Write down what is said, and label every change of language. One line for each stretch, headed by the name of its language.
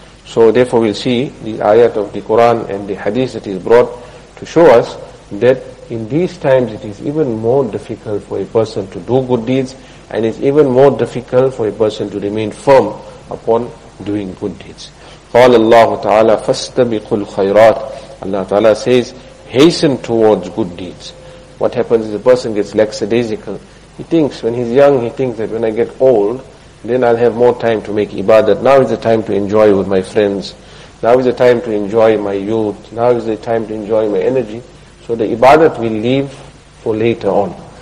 English: So therefore we'll see the ayat of the Quran and the hadith that is brought to show us that in these times it is even more difficult for a person to do good deeds, and it's even more difficult for a person to remain firm upon doing good deeds.
Arabic: قال الله تعالى فاستبقوا الخيرات.
English: Allah Ta'ala says, hasten towards good deeds. What happens is a person gets lackadaisical. He thinks, when he's young, he thinks that when I get old, then I'll have more time to make ibadat. Now is the time to enjoy with my friends. Now is the time to enjoy my youth. Now is the time to enjoy my energy. So the ibadat will leave for later on.